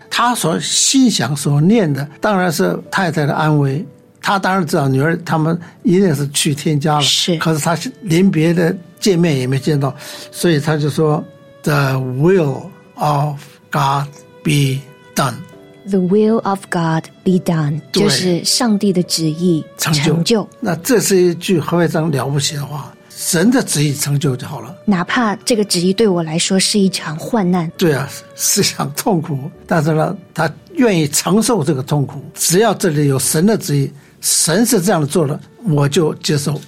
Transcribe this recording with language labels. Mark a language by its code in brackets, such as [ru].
[zh] 他所心想所念的当然是太太的安危，他当然知道女儿他们一定是去天家了，是，可是他临别的见面也没见到，所以他就说 [en] The will of God be done， The will of God be done， [zh] 就是上帝的旨意成就。那这是一句非常了不起的话，神的旨意成就就好了，哪怕这个旨意对我来说是一场患难，对啊，是一场痛苦，但是呢，他愿意承受这个痛苦，只要这里有神的旨意，神是这样做的，我就接受，